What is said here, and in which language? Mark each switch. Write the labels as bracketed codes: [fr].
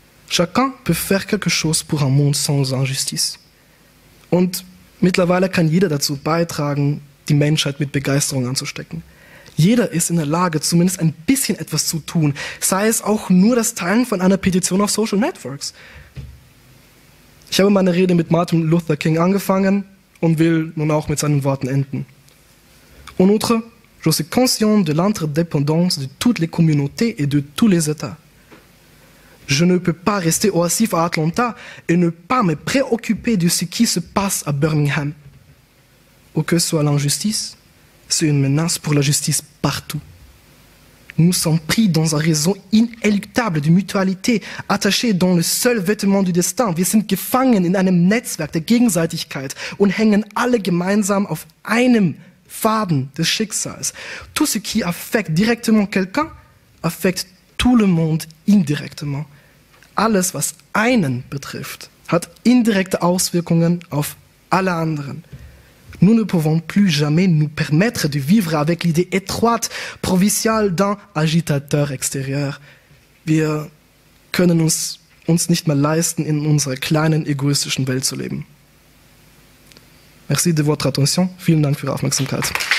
[fr] Chacun peut faire quelque chose pour un monde sans injustice. [de] Und mittlerweile kann jeder dazu beitragen, die Menschheit mit Begeisterung anzustecken. Jeder ist in der Lage, zumindest ein bisschen etwas zu tun, sei es auch nur das Teilen von einer Petition auf Social Networks. Ich habe meine Rede mit Martin Luther King angefangen und will nun auch mit seinen Worten enden. [fr] En outre, je suis conscient de l'interdépendance de toutes les communautés et de tous les États. Je ne peux pas rester oisif à Atlanta et ne pas me préoccuper de ce qui se passe à Birmingham. Où que soit l'injustice, c'est une menace pour la justice partout. Nous sommes pris dans un réseau inéluctable de mutualité, attaché dans le seul vêtement du destin. [de] Wir sind gefangen in einem Netzwerk der Gegenseitigkeit und hängen alle gemeinsam auf einem Faden des Schicksals. [fr] Tout ce qui affecte directement quelqu'un affecte tout le monde indirectement. [de] Alles, was einen betrifft, hat indirekte Auswirkungen auf alle anderen. [fr] Nous ne pouvons plus jamais nous permettre de vivre avec l'idée étroite, provinciale d'un agitateur extérieur. [de] Wir können uns nicht mehr leisten, in unserer kleinen egoistischen Welt zu leben. [fr] Merci de votre attention. [de] Vielen Dank für Ihre Aufmerksamkeit.